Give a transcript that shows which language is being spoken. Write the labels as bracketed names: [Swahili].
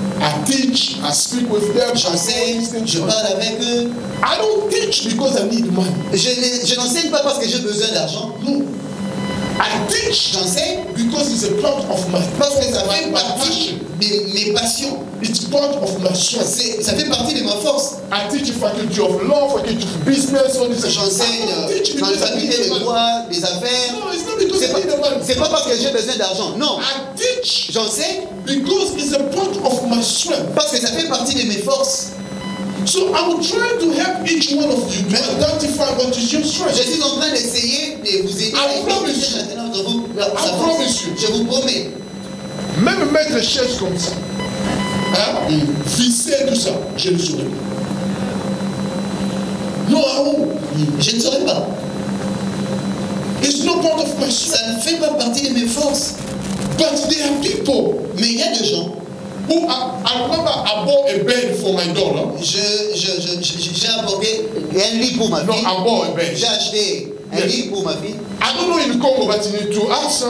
[English] I teach, I speak with them, [French] je parle avec eux. [English] I don't teach because I need money. [French] Je n'enseigne pas parce que j'ai besoin d'argent. [English] Non. I teach, [French] j'enseigne [English] because it's a part of my [French] parce que ça fait partie de mes passions. [English] It's part of my strength. [French] Ça fait partie de ma force. [English] I teach faculty of law, faculty of business, all these [French] things. J'enseigne faculté de droit, des affaires. [English] No, it's not because I need the money. [French] C'est pas parce que j'ai besoin d'argent. Non. [English] I teach, [French] j'enseigne [English] because it's a part of my strength. [French] Parce que ça fait partie de mes forces. [English] So I'm trying to help each one of you to identify what is your strength. [French] Je suis en train d'essayer de vous aider. [English] I promise you. [French] Je vous promets. Même mettre les chaises comme ça, hein, visser tout ça, je ne saurais pas. Non, à où? Je ne saurais pas. [English] It's not part of my strength. [French] Ça ne fait pas partie de mes forces. [English] But there are people. [French] Mais il y a des gens. [English] Who I bought a bed for my daughter. [French] J'ai apporté un lit pour ma fille. [English] No, I bought a bed. [French] J'ai acheté un lit pour ma fille. [English] I don't know in the Congo, but you need to ask.